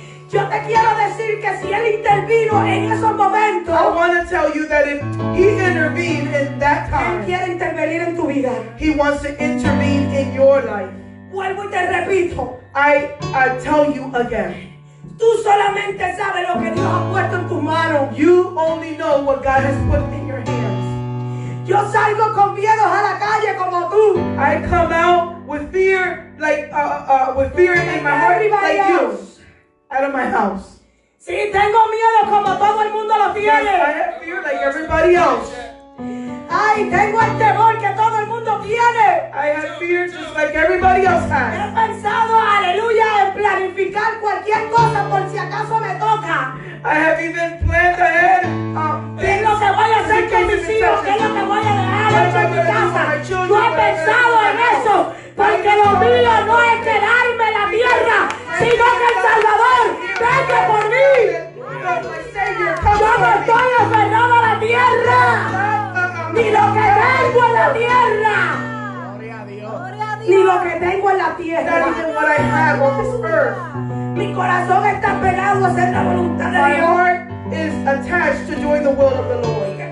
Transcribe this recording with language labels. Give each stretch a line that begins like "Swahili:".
Spanish: Yo te quiero decir que si él intervino en esos momentos,
English: I want to tell you that if he intervened in that time,
Spanish: él quiere intervenir en tu vida.
English: He wants to intervene in your life.
Spanish: Vuelvo y te repito.
English: I tell you again.
Spanish: Tú solamente sabes lo que Dios ha puesto en tu mano.
English: You only know what God has put in your hands.
Spanish: Yo salgo con miedo a la calle como tú.
English: I come out with fear, like with fear in my heart, like else. You. Out of my house.
Spanish: Sí, tengo miedo como todo el mundo lo tiene.
English: I have fear like everybody else.
Spanish: Ay, tengo el temor que todo el mundo tiene.
English: I have fear just like everybody else has.
Spanish: He pensado, aleluya, en planificar cualquier cosa por si acaso me toca.
English: I have even planned ahead.
Spanish: ¿Qué es lo que voy a hacer con mis hijos? ¿Qué es lo que voy a dejar en mi casa? Yo he pensado en eso. Porque lo mío no es quedarme en la tierra, sino que el Salvador venga por mí. Yo no estoy aferrado a la tierra, ni lo que tengo en la tierra. Ni lo que tengo en la tierra. Mi corazón está pegado a hacer la voluntad de Dios.
English: Is attached to doing the will of the Lord.